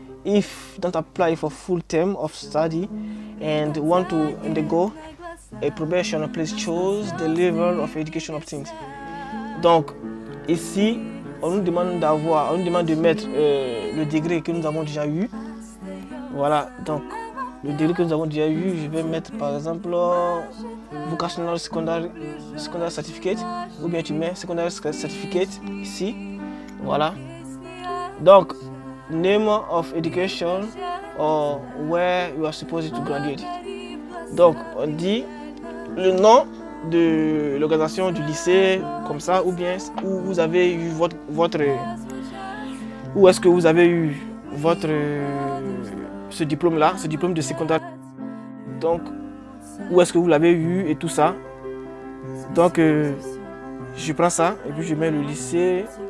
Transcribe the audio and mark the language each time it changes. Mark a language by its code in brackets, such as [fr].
[en] If you don't apply for full term of study and want to undergo a probation, please choose the level of education obtained. [fr] Donc ici, on nous demande de mettre le degré que nous avons déjà eu. Voilà, donc le degré que nous avons déjà eu, je vais mettre par exemple [en] vocational secondary certificate, [fr] ou bien tu mets [en] secondary certificate [fr] ici. Voilà. [en] Donc name of education or where you are supposed to graduate. [fr] Donc on dit le nom de l'organisation du lycée comme ça, ou bien où vous avez eu votre où est-ce que vous avez eu votre ce diplôme là, ce diplôme de secondaire. Donc où est-ce que vous l'avez eu et tout ça. Donc je prends ça et puis je mets le lycée.